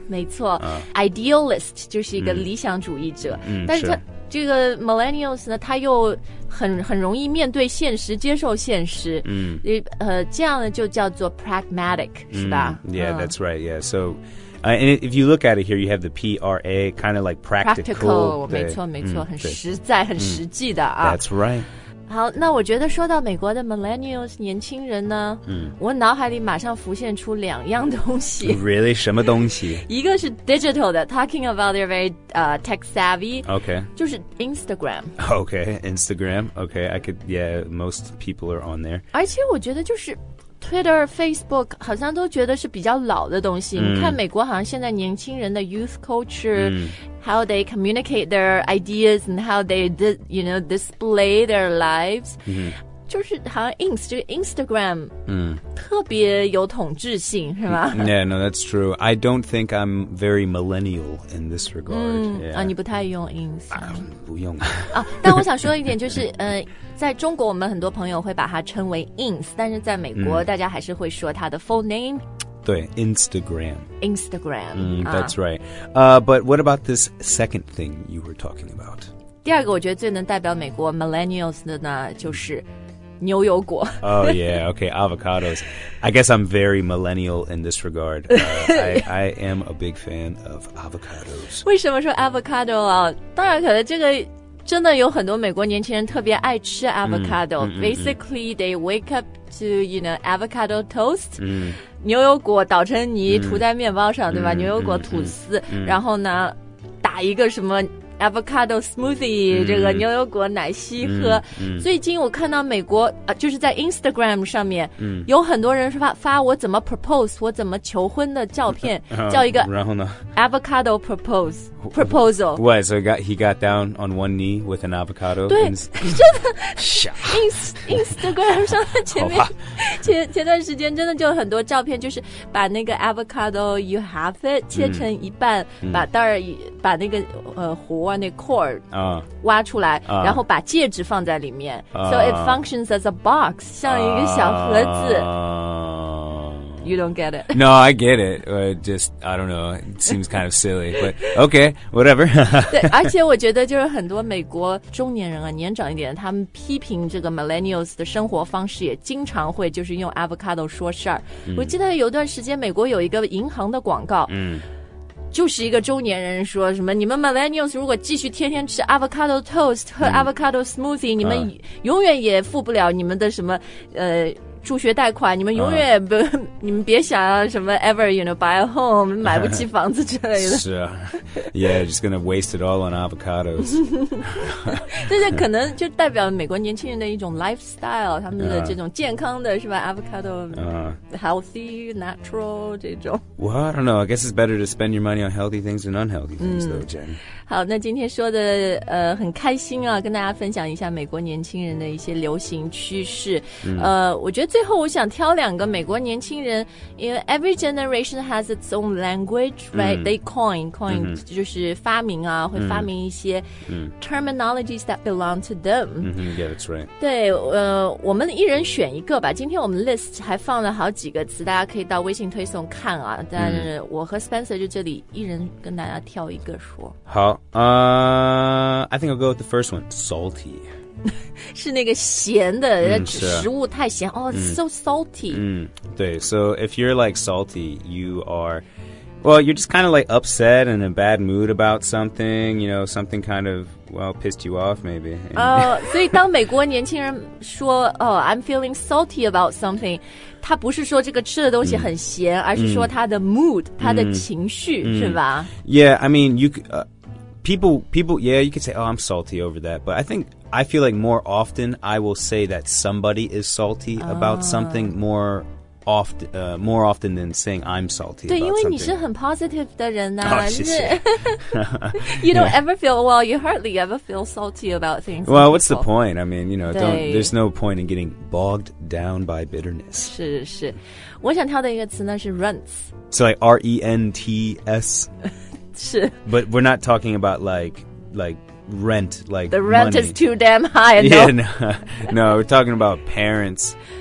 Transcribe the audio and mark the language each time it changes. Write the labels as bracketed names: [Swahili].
[Chinese] 没错、idealist 就是一个理想主义者。嗯、但是这个 millennials 呢，他又很容易面对现实，接受现实。嗯，这样呢就叫做 pragmatic，、嗯、是吧 [English] ？Yeah,、that's right. Yeah. So,、and if you look at it here, you have the P R A, kind of like practical. [Chinese] 没错，没错，很实在，很实际的啊。 [English] That's right. [Chinese] 好，那我觉得说到美国的 millennials 年轻人呢，嗯，我脑海里马上浮现出两样东西。 Really， 什么东西？一个是 [English] digital 的 ，talking about they're very tech savvy。 Okay。 [Chinese] 就是 Instagram。 [English] Okay， Instagram。 Okay， I could yeah， most people are on there。 [Chinese] 而且我觉得就是 Twitter、Facebook 好像都觉得是比较老的东西。嗯、你看美国好像现在年轻人的 youth culture、嗯。 [English] How they communicate their ideas and how they, you know, display their lives.、 Mm-hmm. [Chinese] 就是好像 Ins 这个 Instagram 特别有统治性是吧 [English] Yeah, no, that's true. I don't think I'm very millennial in this regard. [Chinese] 你不太用 Ins、不用啊。但我想说一点就是在中国我们很多朋友会把它称为 Ins, 但是在美国大家还是会说它的 full name 对 Instagram [English] Instagram、 That's right、But what about this second thing you were talking about? [Chinese] 第二个我觉得最能代表美国 millennials 的呢就是牛油果 [English] Oh yeah, okay, avocados I guess I'm very millennial in this regard、I am a big fan of avocados [Chinese] 为什么说 avocado 啊当然可能这个真的有很多美国年轻人特别爱吃 avocado、 [English] Basically they wake up to you know, avocado toast、 [Chinese] 牛油果捣成泥涂在面包上、对吧牛油果吐司、然后呢打一个什么 avocado smoothie、这个牛油果奶昔喝、最近我看到美国、就是在 Instagram 上面、有很多人发我怎么 propose 我怎么求婚的照片、叫一个然后呢 [English] avocado proposal What so he got down on one knee with an avocado [Chinese] 对真的 Instagram 上的前面前段时间真的就很多照片就是把那个 avocado [English] you have it [Chinese] 切成一半、把袋儿把那个核啊那 core 啊挖出来、然后把戒指放在里面、 [English] so it functions as a box [Chinese] 像一个小盒子、 [English] You don't get it. No, I get it. Just, I don't know. It seems kind of silly. But okay, whatever. [Chinese] 对，而且我觉得就是很多美国中年人啊，年长一点，他们批评这个 millennials 的生活方式，也经常会就是用 avocado 说事儿。我记得有段时间，美国有一个银行的广告。就是一个中年人说什么你们 millennials 如果继续天天吃 avocado toast 和 avocado smoothie、你们永远也付不了你们的什么助学贷款你们永远不、你们别想要什么 [English] ever you know buy a home [Chinese] 买不起房子之类的是啊 [English] yeah just gonna waste it all on avocados [Chinese] 这就可能就代表美国年轻人的一种 lifestyle 他们的这种健康的是吧 avocado healthy natural 这种 [English] well I don't know I guess it's better to spend your money on healthy things than unhealthy things though Jen [Chinese] 好那今天说的很开心啊跟大家分享一下美国年轻人的一些流行趋势、我觉得最后我想挑两个美国年轻人 因为 [English] every generation has its own language right? They coin [Chinese] 就是发明啊会发明一些 [English] terminologies that belong to them Yeah that's right [Chinese] 对我们一人选一个吧今天我们 list 还放了好几个词大家可以到微信推送看啊但是我和 Spencer 就这里一人跟大家挑一个说好 [English] I think I'll go with the first one Salty [Chinese] 是那个咸的食物太咸哦、 [English] so salty 对 so if you're like salty you are well you're just kind of like upset and in a bad mood about something you know something kind of well pissed you off maybe [Chinese] 所以当美国年轻人说哦、 [English] oh, I'm feeling salty about something [Chinese] 他不是说这个吃的东西很咸、而是说他的 mood、他的情绪、是吧 [English] yeah I mean you people yeah you could say oh I'm salty over that but I feel like more often I will say that somebody is salty about something more often than saying I'm salty [Chinese] 对因为你是很 positive 的人啊、oh, 是 [English] you don't、yeah. ever feel well you hardly ever feel salty about things well what's the point I mean you know don't, there's no point in getting bogged down by bitterness [Chinese] 是是我想挑的一个词呢是 rents [English] so like R-E-N-T-S [Chinese] 是 [English] but we're not talking about like rent like the rent、 money. is too damn high no. Yeah, no we're talking about parents